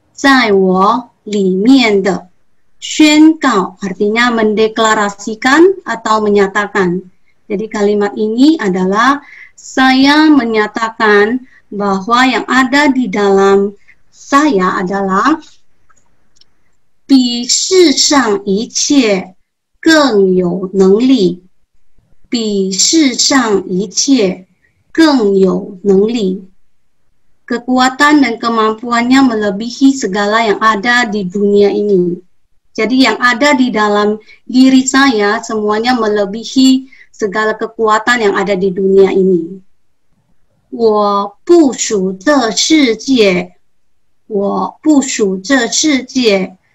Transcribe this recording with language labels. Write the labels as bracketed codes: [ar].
[zh] 我宣告在我里面的。我宣告在我里面的。 [id] 宣告 artinya mendeklarasikan atau menyatakan. Jadi kalimat ini adalah saya menyatakan bahwa yang ada di dalam saya adalah [zh] 比世上一切更有能力。 [id] 比世上一切更有能力。 Kekuatan dan kemampuannya melebihi segala yang ada di dunia ini. Jadi yang ada di dalam diri saya semuanya melebihi segala kekuatan yang ada di dunia ini. [zh] 我不属这世界。我不属这世界。